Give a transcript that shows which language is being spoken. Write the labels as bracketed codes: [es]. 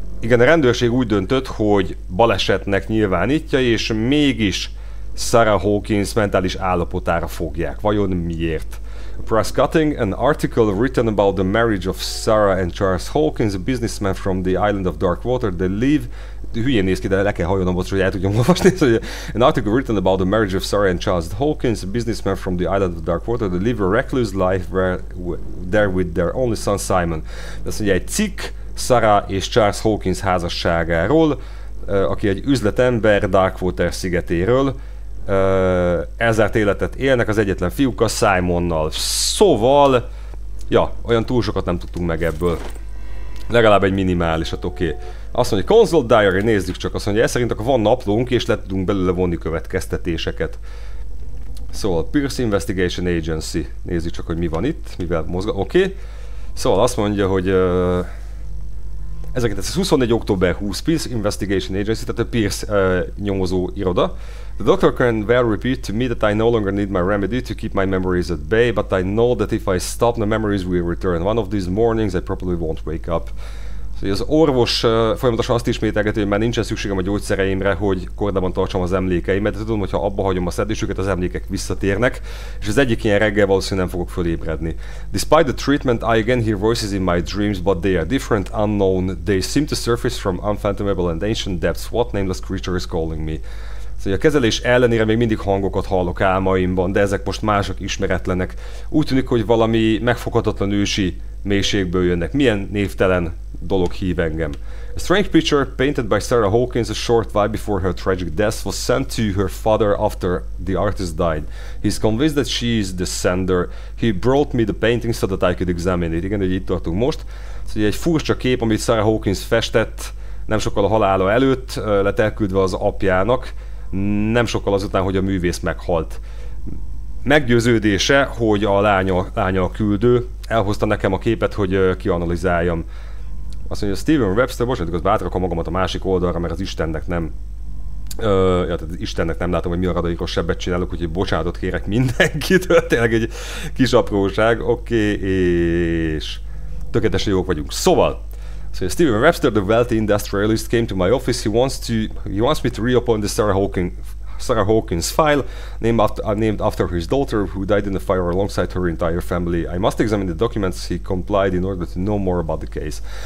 [hu] A rendőrség úgy döntött, hogy balesetnek nyilvánítja, és mégis Sarah Hawkins mentális állapotára fogják. Vajon miért? [en] Press cutting, an article written about the marriage of Sarah and Charles Hawkins, a businessman from the island of Darkwater, they live... [hu] Hülyén néz ki, de le kell hajolnom, hogy el tudjam olvasni. [en] An article written about the marriage of Sarah and Charles Hawkins, a businessman from the island of Darkwater, they live a recluse life there with their only son Simon. [hu] Ez ugye egy cikk, Sarah és Charles Hawkins házasságáról, aki egy üzletember Darkwater szigetéről. Ezért életet élnek az egyetlen fiúkkal, Simonnal. Szóval, ja, olyan túl sokat nem tudtunk meg ebből. Legalább egy minimálisat, oké. Okay. Azt mondja, console diary, nézzük csak. Azt mondja, ez szerint akkor van naplónk, és le tudunk belőle vonni következtetéseket. Szóval, Pierce Investigation Agency. Nézzük csak, hogy mi van itt, mivel mozga. Oké. Okay. Szóval azt mondja, hogy... Ezeket, ez 24 október 20, Pierce Investigation Agency, tehát a Pierce nyomozó iroda. [en] The doctor can well repeat to me that I no longer need my remedy to keep my memories at bay, but I know that if I stop, the memories will return. One of these mornings I probably won't wake up. [hu] Szóval az orvos folyamatosan azt ismételgeti, hogy már nincsen szükségem a gyógyszereimre, hogy kordában tartsam az emlékeimet, mert tudom, hogy ha abba hagyom a szedésüket, az emlékek visszatérnek, és az egyik ilyen reggel valószínűleg nem fogok fölébredni. [en] Despite the treatment, I again hear voices in my dreams, but they are different, unknown. They seem to surface from unfathomable and ancient depths. What nameless creature is calling me? [hu] Szóval a kezelés ellenére még mindig hangokat hallok álmaimban, de ezek most mások, ismeretlenek. Úgy tűnik, hogy valami megfoghatatlan ősi mélységből jönnek. Milyen névtelen dolog hív engem. [en] A strange picture painted by Sarah Hawkins a short while before her tragic death was sent to her father after the artist died. He's convinced that she is the sender. He brought me the painting so that I could examine it. [hu] Igen, hogy itt tartunk most. Szóval egy furcsa kép, amit Sarah Hawkins festett nem sokkal a halála előtt, lett elküldve az apjának, nem sokkal azután, hogy a művész meghalt. Meggyőződése, hogy a lánya a küldő, elhozta nekem a képet, hogy kianalizáljam. Azt mondja, Steven Webster, bocsánat, hogy beátrakom magamat a másik oldalra, mert az Istennek nem... tehát Istennek nem látom, hogy mi a radaikos sebbet csinálok, úgyhogy bocsánatot kérek mindenkitől, tényleg egy kis apróság, oké, és tökéletesen jók vagyunk. Szóval, szóval [en] Steven Webster, the wealthy industrialist, came to my office, he wants me to reopen the Sarah Hawkins file, named after his daughter, who died in the fire alongside her entire family. I must examine the documents he complied in order to know more about the case.